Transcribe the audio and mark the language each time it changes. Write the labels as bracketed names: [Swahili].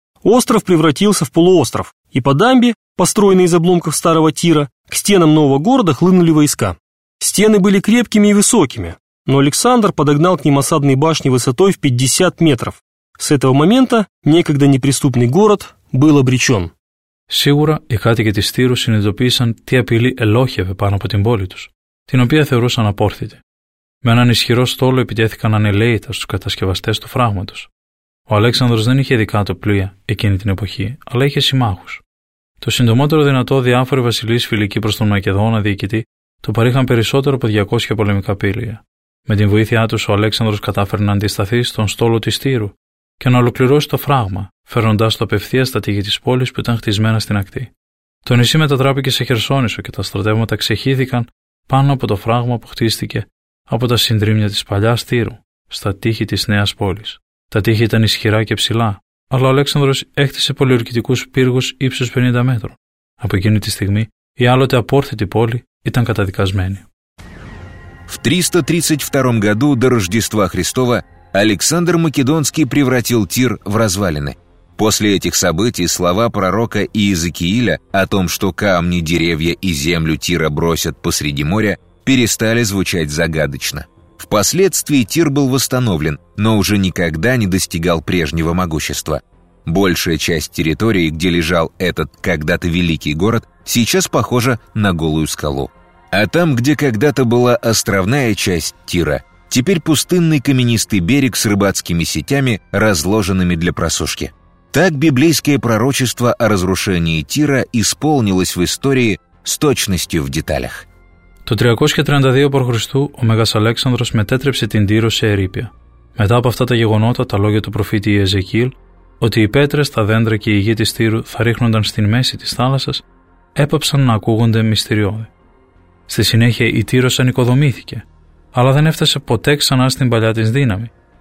[Russian] Остров превратился в полуостров, и по дамбе, построенной из обломков старого Тира, к стенам нового города хлынули войска. Стены были крепкими и высокими, но Александр подогнал к ним осадные башни высотой в 50 метров. С этого момента некогда неприступный город был обречен. [Greek] Сигура, οι κάτοικοι της Τύρου συνειδητοποίησαν τι απειλή ελόχευε πάνω από την πόλη τους, την οποία θεωρούσαν απόρθητη. Με έναν ισχυρό στόλο επιτέθηκαν ανελέητα στους κατασκευαστές του φράγματος. Ο Αλέξανδρος δεν είχε δικά του πλοία εκείνη την εποχή, αλλά είχε συμμάχους. Το συντομότερο δυνατό, διάφοροι βασιλείς φιλικοί προς τον Μακεδόνα διοικητή, το παρήχαν περισσότερο από 200 πολεμικά πύλια. Με την βοήθειά τους, ο Αλέξανδρος κατάφερε να αντισταθεί στον στόλο της Τύρου και να ολοκληρώσει το φράγμα, φέρνοντάς το απευθείας στα τείχη της πόλης που ήταν χτισμένα στην ακτή. Το νησί μετατράπηκε σε Χερσόνησο και τα στρατεύματα ξεχύθηκαν πάνω από το φράγμα που χτίστηκε από τα συντρίμμια της παλιάς Τύρου, στα τείχη της νέας πόλης. Τα τείχη ήταν ισχυρά και ψηλά, αλλά ο Αλέξανδρος έκτισε πολιορκητικούς πύργους ύψους 50 μέτρων. Από εκείνη τη στιγμή, η άλλοτε απόρθητη πόλη ήταν καταδικασμένη. [Russian] В 332 году до Рождества Христова Александр Македонский превратил Тир в развалины. После этих событий слова пророка Иезекииля о том, что камни, деревья и землю Тира бросят посреди моря, перестали звучать загадочно. Впоследствии Тир был восстановлен, но уже никогда не достигал прежнего могущества. Большая часть территории, где лежал этот когда-то великий город, сейчас похожа на голую скалу. А там, где когда-то была островная часть Тира, теперь пустынный каменистый берег с рыбацкими сетями, разложенными для просушки. Так библейское пророчество о разрушении Тира исполнилось в истории с точностью в деталях. [Greek] Το 332 π.Χ. ο Μέγας Αλέξανδρος μετέτρεψε την Τύρο σε ερείπια. Μετά από αυτά τα γεγονότα, τα λόγια του προφήτη Ιεζεκίλ, ότι οι πέτρες, τα δέντρα και η γη της Τύρου θα ρίχνονταν στην μέση της θάλασσας, έπαψαν να ακούγονται μυστηριώδη. Στη συνέχεια η Τύρος ανοικοδομήθηκε, αλλά δεν έφτασε ποτέ ξανά στην παλιά της δύναμη.